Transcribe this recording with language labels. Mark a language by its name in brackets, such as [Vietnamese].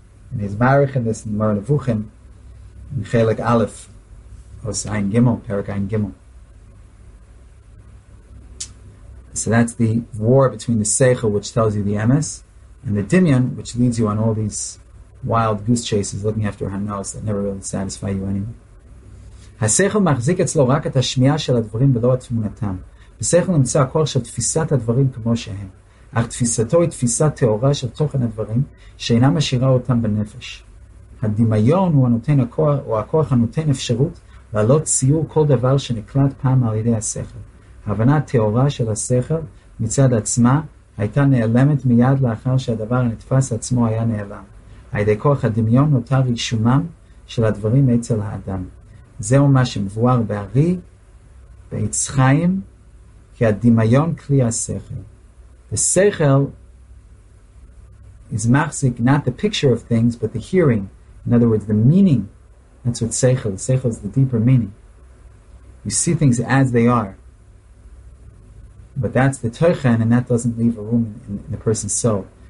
[English] And he's marich in this in Mar Nevuchim in Chelek Aleph Osayin Gimel Perak Ayin Gimel. So that's the war between the Seichel, which tells you the Emes, and the Dimyon, which leads you on all these wild goose chases looking after Hanaos that never really satisfy you anyway. [Hebrew] השכל מחזיק אצלו רק את השמיעה של הדברים ולא את תמונתם. בשכל נמצא הכל של תפיסת הדברים כמו שהם, אך תפיסתו היא תפיסה תאורה של תוכן הדברים שאינה משאירה אותם בנפש. הדמיון הוא הנותן הכוח, או הכוח הנותן אפשרות לעלות ציור כל דבר שנקלט פעם על ידי השכל. ההבנה התאורה של השכל מצד עצמה הייתה נעלמת מיד לאחר שהדבר הנתפס עצמו היה נעלם. הידי כוח הדמיון נותר רישומם של הדברים אצל האדם. זהו מה שמבואר בארי, בעץ חיים, כי הדמיון כלי השכל. [English] The sechel is machzik not the picture of things, but the hearing. In other words, the meaning. That's what sechel. Sechel is the deeper meaning. You see things as they are. But that's the teuchen, and that doesn't leave a room in the person's soul.